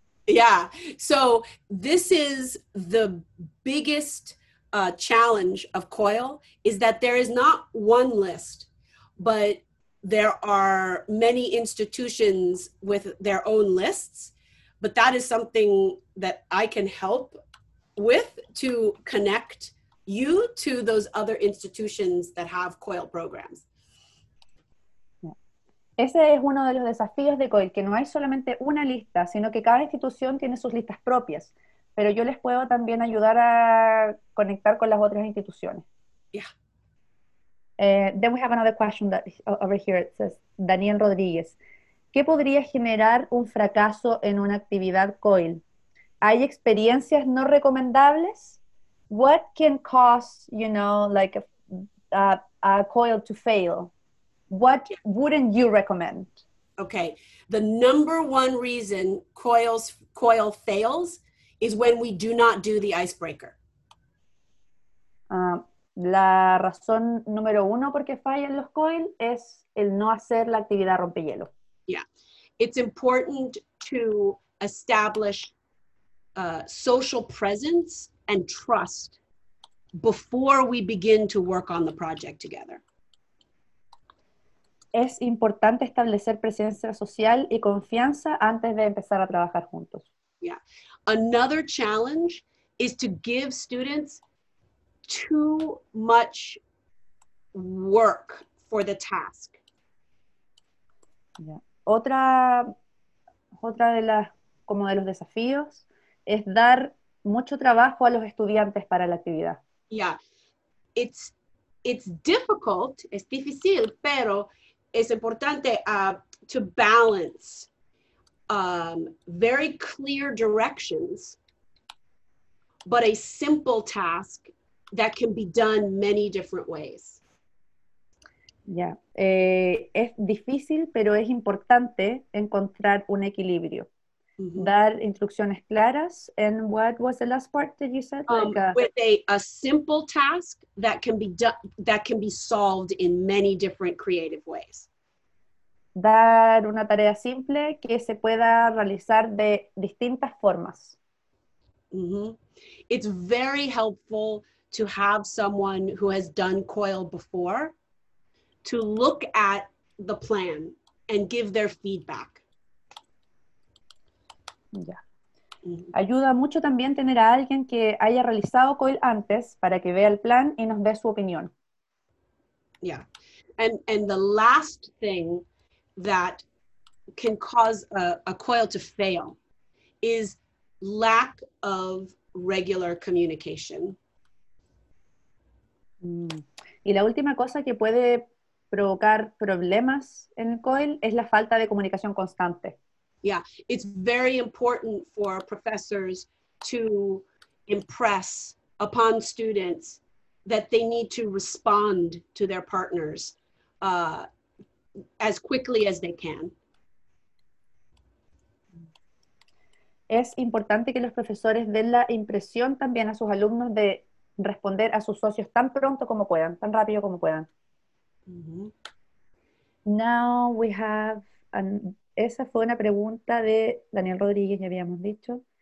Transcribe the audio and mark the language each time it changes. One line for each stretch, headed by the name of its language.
English: Yeah, so this is the biggest challenge of COIL, is that there is not one list, but there are many institutions with their own lists, but that is something that I can help with to connect you to those other institutions that have COIL programs.
Spanish: Ese es uno de los desafíos de COIL, que no hay solamente una lista, sino que cada institución tiene sus listas propias. Pero yo les puedo también ayudar a conectar con las otras instituciones.
English: Yeah. Then we have another question that over here. It says,
Spanish: Daniel Rodríguez, ¿qué podría generar un fracaso en una actividad COIL? ¿Hay experiencias no recomendables?
English: What can cause, you know, like a COIL to fail? What wouldn't you recommend? Okay, the number one reason COIL fails is when we do not do the icebreaker.
Spanish: La razón número uno porque fallan los COIL es el no hacer la actividad rompehielo.
English: Yeah, it's important to establish social presence and trust before we begin to work on the project together.
Spanish: Es importante establecer presencia social y confianza antes de empezar a trabajar juntos.
English: Yeah. Another challenge is to give students too much work for the task. Yeah.
Spanish: Otra de las, como de los desafíos, es dar mucho trabajo a los estudiantes para la actividad.
English: Yeah. It's difficult,
Spanish: es difícil, pero es importante
English: to balance very clear directions, but a simple task that can be done many different ways.
Spanish: Yeah, es difícil, pero es importante encontrar un equilibrio. Mm-hmm. Dar instrucciones claras.
English: And what was the last part that you said? With a simple task that can be done, that can be solved in many different creative ways.
Spanish: Dar una tarea simple que se pueda realizar de distintas formas. Mm-hmm.
English: It's very helpful to have someone who has done COIL before to look at the plan and give their feedback. Ya. Mm-hmm.
Spanish: Ayuda mucho también tener a alguien que haya realizado COIL antes para que vea el plan y nos dé su opinión.
English: Yeah. And the last thing that can cause a COIL to fail is lack of regular communication.
Spanish: Y la última cosa que puede provocar problemas en COIL es la falta de comunicación constante.
English: Yeah, it's very important for professors to impress upon students that they need to respond to their partners as quickly as they can.
Spanish: Es importante que los profesores den la impresión también a sus alumnos de responder a sus socios tan pronto como puedan, tan rápido como puedan. Mm-hmm.
English: Now we have
Spanish: Esa fue una pregunta de Daniel Rodríguez, ya habíamos dicho.